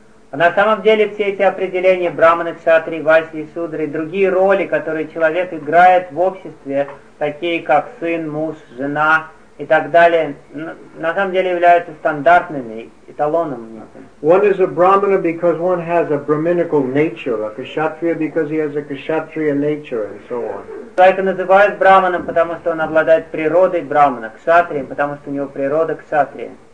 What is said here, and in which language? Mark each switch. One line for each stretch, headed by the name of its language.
Russian: На самом деле все эти определения брахманы, кшатри, вайсьи, шудры и другие роли, которые человек играет в обществе, такие как сын, муж, жена и так далее, на самом деле являются стандартными, эталонами.
English: One is a brahmana because one has a brahminical nature, a kshatriya because he has a kshatriya nature, and so on.
Russian: Человека называют брахманом, потому что он обладает природой брахмана, кшатрием, потому что у него природа кшатрия.